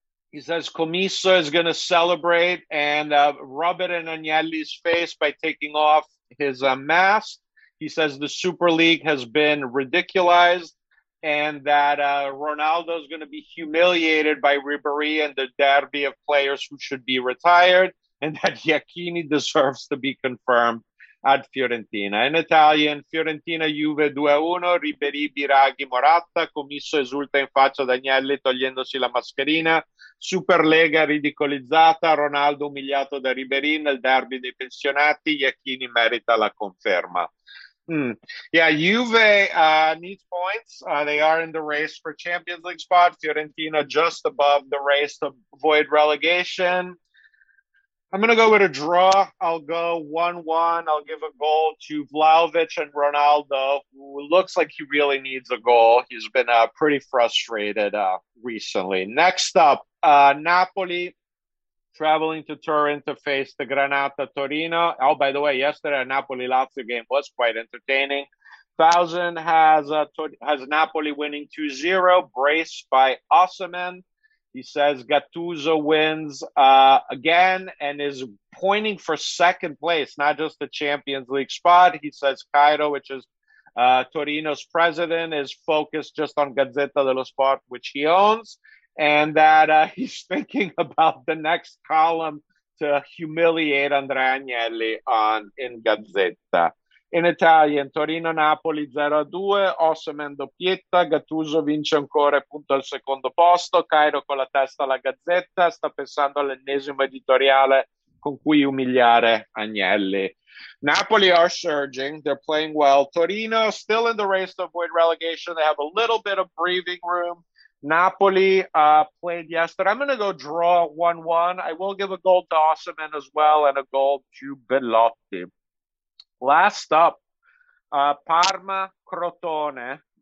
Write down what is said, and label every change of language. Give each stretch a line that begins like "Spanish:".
English: He says Commisso is going to celebrate and rub it in Agnelli's face by taking off his mask. He says the Super League has been ridiculized and that Ronaldo is going to be humiliated by Ribéry and the derby of players who should be retired, and that Iacchini deserves to be confirmed at Fiorentina. In Italian,
Italian: Fiorentina Juve 2-1, Ribéry, Biraghi, Morata, Commisso esulta in faccia ad Agnelli togliendosi la mascherina, Superlega ridicolizzata, Ronaldo umiliato da Ribéry nel derby dei pensionati, Iacchini merita la conferma.
English: Yeah, Juve needs points. They are in the race for Champions League spot. Fiorentina just above the race to avoid relegation. I'm going to go with a draw. I'll go 1-1. I'll give a goal to Vlahovic and Ronaldo, who looks like he really needs a goal. He's been pretty frustrated recently. Next up, Napoli traveling to Turin to face the Granata Torino. Oh, by the way, yesterday a Napoli-Lazio game was quite entertaining. Fausen has Napoli winning 2-0, braced by Osimhen. He says Gattuso wins again and is pointing for second place, not just the Champions League spot. He says Cairo, which is Torino's president, is focused just on Gazzetta dello Sport, which he owns, and that he's thinking about the next column to humiliate Andrea Agnelli in Gazzetta. In Italian,
Italian: Torino-Napoli 0-2, Osimhen doppietta, Gattuso vince ancora e punta al secondo posto, Cairo con la testa alla Gazzetta, sta pensando all'ennesimo editoriale con cui umiliare Agnelli.
English: Napoli are surging, they're playing well. Torino still in the race to avoid relegation, they have a little bit of breathing room. Napoli played yesterday. I'm going to go draw 1-1. I will give a goal to Osimhen as well and a goal to Belotti. Last up, Parma-Crotone.